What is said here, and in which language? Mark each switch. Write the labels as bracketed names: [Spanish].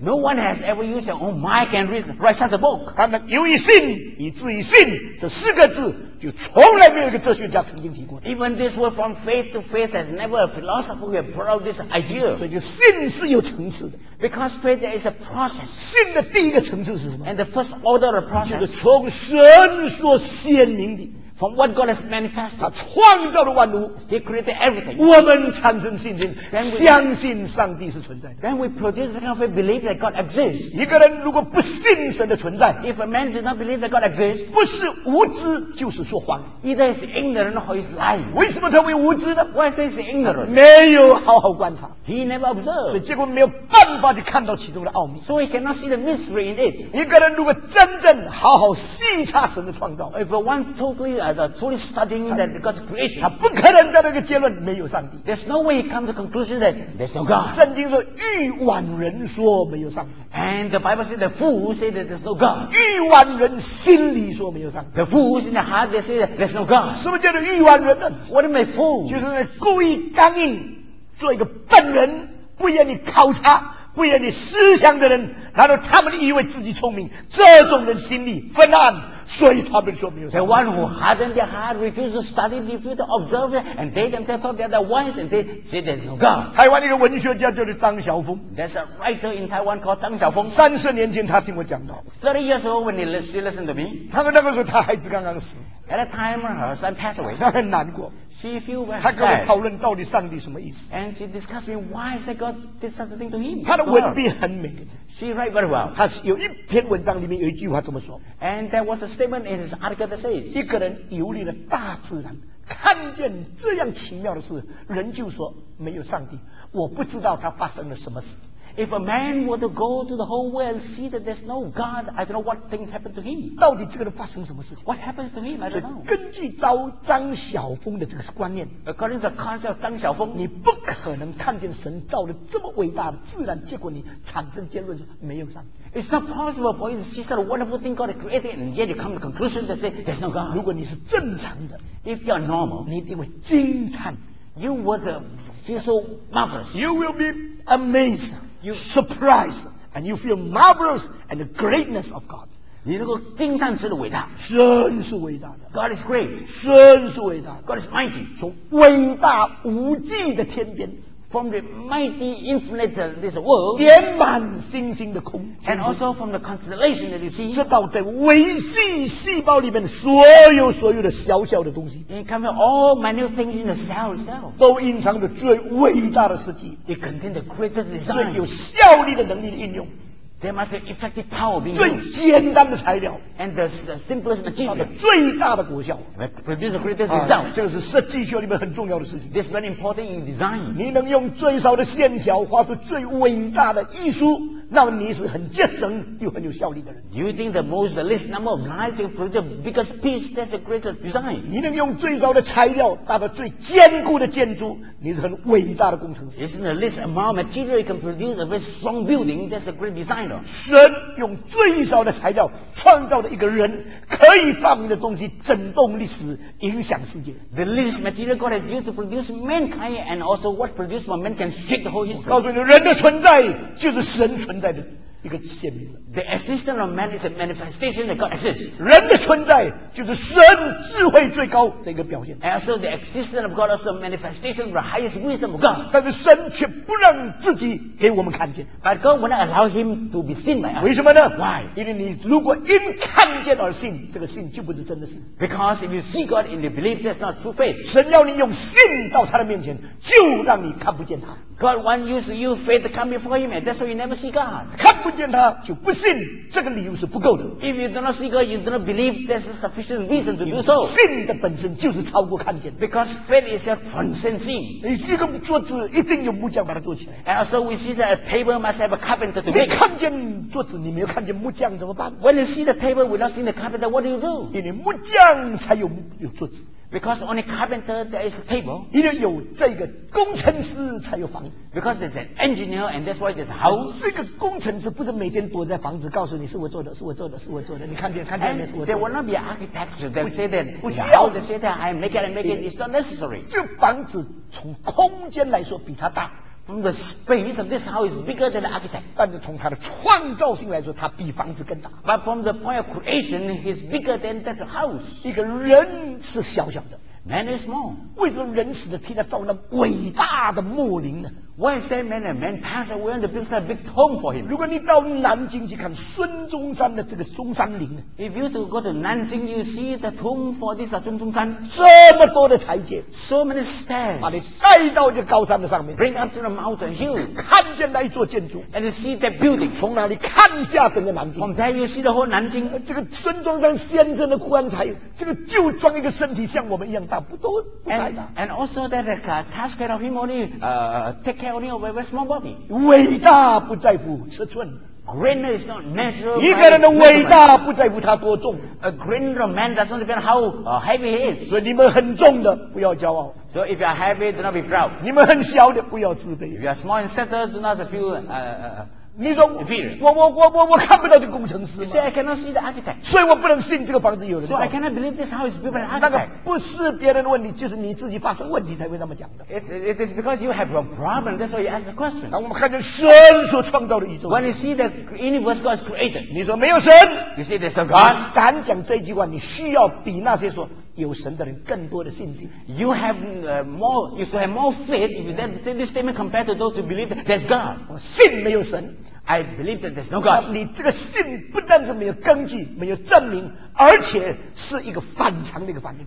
[English] No one has ever used their own mind and write such a book. [Chinese] 他们由于信，以至于信，这四个字就从来没有一个哲学家曾经提过。 [English] Even this word from faith to faith has never a philosopher who brought out this idea. [Chinese] 所以信是有层次的。 [English] Because faith there is a process. [Chinese] 信的第一个层次是什么 [English] ？And the first order of process. [Chinese] 就是从神所显明的。 [English] From what God has manifested, [Chinese] 他创造了万物 [English] ，He created everything. [Chinese] 我们产生信心，相信上帝是存在的。 [English] Then we produce the kind of belief that God exists. [Chinese] 一个人如果不信神的存在 [English] ，If a man does not believe that God exists, [Chinese] 不是无知就是说谎 [English] ，Either is ignorant or is lying. [Chinese] 为什么他会无知呢 [English] ？Why is he ignorant? [Chinese] 没有好好观察 [English] ，He never observed. [Chinese] 所以结果没有办法去看到其中的奥秘 [English] ，So he cannot see the mystery in it. [Chinese] 一个人如果真正好好细察神的创造 [English] ，If one totally truly studying that God's creation, [Chinese] 他不可能在那个结论没有上帝。 [English] There's no way he comes to the conclusion that there's no God. [Chinese] 圣经说欲望人说没有上帝。 [English] And the Bible says the fool say that there's no God. [Chinese] 欲望人心里说没有上帝。 [English] The fools in the heart they say that there's no God. [Chinese] 什么叫做欲望人呢 [English] ？What are my fools? [Chinese] 就是故意刚硬，做一个笨人，不愿意考察。不愿意思想的人，然后他们以为自己聪明，这种人心里昏暗，所以他们说没有。 [English] The one who hardened their heart, refused to study, refused to observe, and they themselves thought they are the wise, and they say there's no God. [Chinese] 台湾一个文学家叫做张晓峰。 [English] There's a writer in Taiwan called 张晓峰。 [Chinese] 30年前，他听我讲到。 [English] 30 years ago, when she listened to me, [Chinese] 他说那个时候他孩子刚刚死。 [English] At that time, her son passed away. [Chinese] 他很难过。 [English] She feel very sad. [Chinese] 他跟我讨论到底上帝什么意思。 [English] And she discussed with me why is that God did such a thing to him. [Chinese] 他的文笔很美。 [English] She write very well. [Chinese] 他有一篇文章里面有一句话这么说。 [English] And there was a statement in his article that says, [Chinese] 一个人游历了大自然，看见这样奇妙的事，人就说没有上帝。我不知道他发生了什么事。 [English] If a man were to go to the whole world and see that there's no God, I don't know what things happen to him. [Chinese] 到底这个人发生什么事 [English] ？What happens to him? I don't know. [Chinese] 根据招张晓峰的这个观念 [English] ，According to the concept of 张晓峰， [Chinese] 你不可能看见神造了这么伟大的自然，结果你产生结论没有上帝。 [English] It's not possible for you to see such a wonderful thing God created, and yet you come to the conclusion to say there's no God. [Chinese] 如果你是正常的 [English] ，If you're normal, [Chinese] 你一定会惊叹 [English] ，You would feel so marvelous. You will be amazed, you surprised, and you feel marvelous at the greatness of God. [Chinese] 你能够惊叹神的伟大，真是伟大的。 [English] God is great, [Chinese] 真是伟大的。 [English] God is mighty, [Chinese] 从伟大无际的天边。 [English] From the mighty infinite this world, [Chinese] 点满星星的空， [English] and also from the constellation that you see, [Chinese] 直到在微细细胞里面所有所有的小小的东西， [English] and come from all minute things in the cell itself, [Chinese] 都隐藏着最伟大的设计， [English] it contains the greatest design, [Chinese] 最有效力的能力的应用， [English] there must be effective power being used, [Chinese] 最简单的材料， [English] and the simplest material, [Chinese] 最大的果效。 [English] Produce the greatest result. [Chinese] 这个是设计学里面很重要的事情。 [English] This is very important in design. [Chinese] 你能用最少的线条画出最伟大的艺术，那么你是很节省又很有效率的人。 [English] You think the most the least number of lines you produce because piece that's the greatest design. [Chinese] 你能用最少的材料达到最坚固的建筑，你是很伟大的工程师。 [English] Isn't the least amount of material you can produce a very strong building that's a great designer. [Chinese] 神用最少的材料创造的一个人可以发明的东西，震动历史，影响世界。 [English] The least material God has used to produce mankind, and also what produced by man can shake the whole history. [Chinese] 告诉你，人的存在就是神存在的一个显明。 [English] The existence of man is a manifestation that God exists. [Chinese] 人的存在就是神智慧最高的一个表现。 [English] And also the existence of God is a manifestation of the highest wisdom of God. [Chinese] 但是神却不让自己给我们看见。 [English] But God will not allow him to be seen by us. [Chinese] 为什么呢？ [English] Why? [Chinese] 因为你如果因看见而信，这个信就不是真的信。 [English] Because if you see God and you believe, that's not true faith. [Chinese] 神要你用信到他的面前，就让你看不见他。 [English] God wants you to use faith to come before him, and that's why you never see God. [Chinese] 看不见他就不信，这个理由是不够的。 [English] If you do not see God, you do not believe, there's a sufficient reason to do so. [Chinese] 信的本身就是超过看见。 [English] Because faith is a transcending. [Chinese] 一个桌子一定有木匠把它做起来。 [English] And also we see that a table must have a carpenter to make. [Chinese] 你看见桌子，你没有看见木匠怎么办？ [English] When you see the table without seeing the carpenter, what do you do? [Chinese] 因为木匠才有桌子。 [English] Because only carpenter there is a table. [Chinese] 因为有这个工程师才有房子。 [English] Because there's an engineer and that's why there's a house. [Chinese] 这个工程师不是每天躲在房子告诉你是我做的，是我做的，是我做的。你看见看见没？是我做的。 [English] There will not be architects that say that. [Chinese] 不需要的 [English] say that I make it. It's not necessary. [Chinese] 这房子从空间来说比它大。 [English] From the space of this house is bigger than the architect. [Chinese] 但是从它的创造性来说，它比房子更大。 [English] But from the point of creation, he's bigger than that house. [Chinese] 一个人是小小的。 [English] Man is small. [Chinese] 为什么人死了替他造那伟大的墓陵呢？ [English] Why is that man? A man passed away and built a big home for him. [Chinese] 如果你到南京去看孙中山的这个中山陵， [English] If you go to 南京， you see the tomb for this 孙中山。 [Chinese] 这么多的台阶， [English] So many stairs， [Chinese] 把你带到一个高山的上面， [English] Bring up to the mountain hill， [Chinese] 看见那一座建筑， [English] And you see that building， [Chinese] 从哪里看下整个南京？ [English] From there you see the whole 南京。 [Chinese] 这个孙中山先生的棺材，这个就装一个身体像我们一样大。 [English] And also that the casket of him only take care only of a very small body. [Chinese] 伟大不在乎尺寸。 [English] Greatness is not measured. [Chinese] 一个人的伟大不在乎他多重。 [English] A greater man does not depend how heavy he is. [Chinese] 所以你们很重的不要骄傲。 [English] So if you are heavy, do not be proud. [Chinese] 你们很小的不要自卑。 [English] If you are small and stature, do not feel [Chinese] 你说我看不到这工程师吗？ [English] You say I cannot see the architect. [Chinese] 所以我不能信这个房子有人造。 [English] So I cannot believe this house is built by an architect. [Chinese] 那个不是别人问题，就是你自己发生问题才会这么讲的。 [English] It is because you have a problem. That's why you ask the question. [Chinese] 那我们看见神所创造的宇宙。 [English] When you see the universe God has created. [Chinese] 你说没有神。 [English] You see there's no God. [Chinese] 敢讲这句话，你需要比那些说有神的人更多的信心。 [English] You have more. You should have more faith if you say this statement compared to those who believe that there's God. [Chinese] 我信没有神。 [English] I believe that there's no God. [Chinese] 你这个信不但是没有根据，没有证明，而且是一个反常的一个反应。